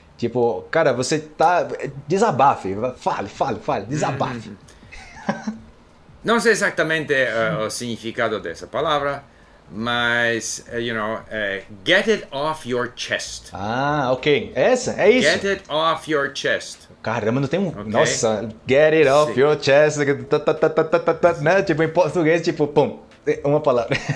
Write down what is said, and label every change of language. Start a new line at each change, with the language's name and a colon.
Portuguese: Tipo, cara, você tá... Desabafe, fale, desabafe. Não sei exatamente o significado dessa palavra, mas,
English: get it off your chest.
Portuguese: Ah, ok. Essa, é isso.
English: Get it off your chest.
Portuguese: Caramba, não tem um... Okay. Nossa,
English: get it off your chest.
Portuguese: Né? Tipo, em português, tipo, pum, uma palavra.